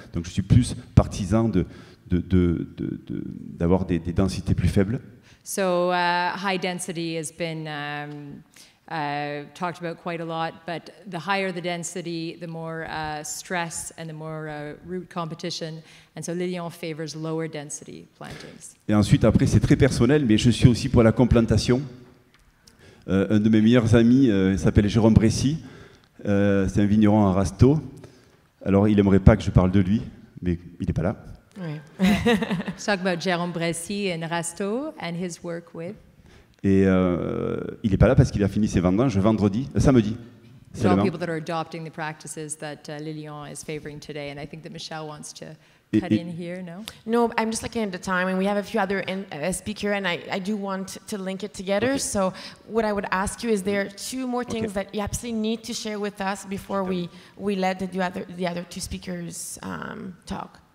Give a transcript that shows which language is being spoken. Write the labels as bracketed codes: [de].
[fr] Donc je suis plus partisan d'avoir des densités plus faibles. [en] So high density has been talked about quite a lot, but the higher the density, the more stress and the more root competition. And so Lilian favors lower density plantings. [fr] Et ensuite, après, c'est très personnel, mais je suis aussi pour la complantation. Un de mes meilleurs amis s'appelle Jérôme Bressy. C'est un vigneron en Rasto. Alors, il aimerait pas que je parle de lui, mais il n'est pas là. Oui. [en] Talk about Jérôme Bressy in Rasto and his work with. [fr] Et il n'est pas là parce qu'il a fini ses vendanges samedi. [en] So all people that are adopting the practices that Lilian is favoring today, and I think that Michelle wants to cut in here. No. No, I'm just looking at the time, and we have a few other speaker, and I do want to link it together. Okay. So what I would ask you is there two more things okay. that you absolutely need to share with us before we let the other two speakers talk.